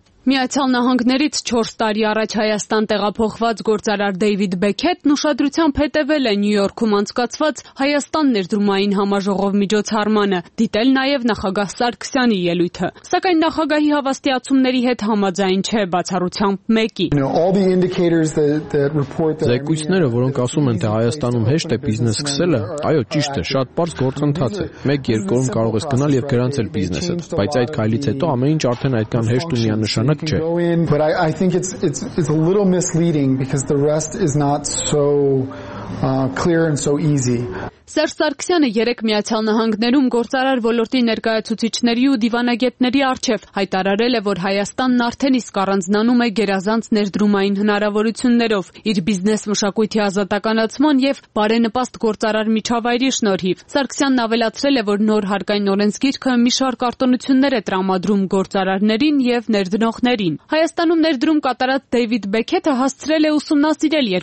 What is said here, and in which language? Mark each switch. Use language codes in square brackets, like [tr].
[hy] Միացյալ Նահանգներից 4 տարի առաջ Հայաստան տեղափոխված գործարար Դեյվիդ Բեքետն ուշադրությամբ հետևել է Նյու Յորքում անցկացված Հայաստան ներդրումային համաժողով միջոցառմանը, դիտել նաև նախագահ Սարգսյանի ելույթը։ Սակայն նախագահի հավաստիացումների հետ համաձայն չէ բացառությամբ մեկի։ Զեկույցները, որոնք ասում են, թե Հայաստանում հեշտ է բիզնես սկսելը, այո, ճիշտ է, շատ պարզ գործընթաց է։ 1-2 օրում կարող ես գնալ եւ գրանցել բիզնեսը, բայց այդ քայլից հետո ամեն ինչ արդեն այդքան հեշտ ու միանշանակ չէ։ [en] But I think it's a little misleading because the rest is not so clear and so easy. [hy] Սերժ Սարգսյանը 3 Միացյալ Նահանգներում գործարար ոլորտի ներկայացուցիչների ու դիվանագետների արչև հայտարարել է, որ Հայաստանն արդեն իսկ առանձնանում է գերազանց ներդրումային հնարավորություններով իր բիզնես մշակույթի ազատականացման եւ բարենպաստ գործարար միջավայրի շնորհիվ։ Սարգսյանն ավելացրել է, որ նոր հարկային օրենսգիրքը մի շարք արտոնություններ է տրամադրում գործարարներին եւ ներդնողներին։ Հայաստանում ներդրում կատարած Դեյվիդ Բեքետը հասցրել է ուսումնասիրել